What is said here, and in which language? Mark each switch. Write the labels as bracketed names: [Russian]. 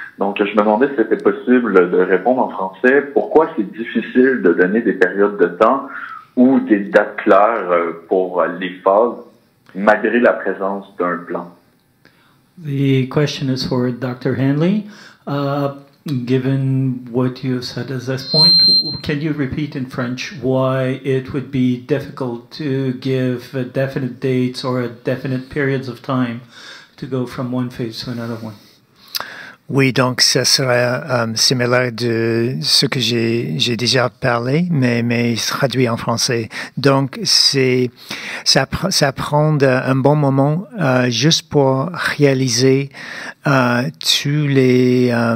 [French] Donc, je me demandais si c'était possible de répondre en français. Pourquoi c'est difficile de donner des périodes de temps ou des dates claires pour les phases, malgré la présence d'un plan? [English] The question is for Dr. Hanley. Given what you have said at this point, can you repeat in French why it would be difficult to give definite dates or definite periods of time to go from one phase to another one? [French] Oui, donc ce serait similaire de ce que j'ai déjà parlé, mais traduit en français. Donc ça prend un bon moment juste pour réaliser tous les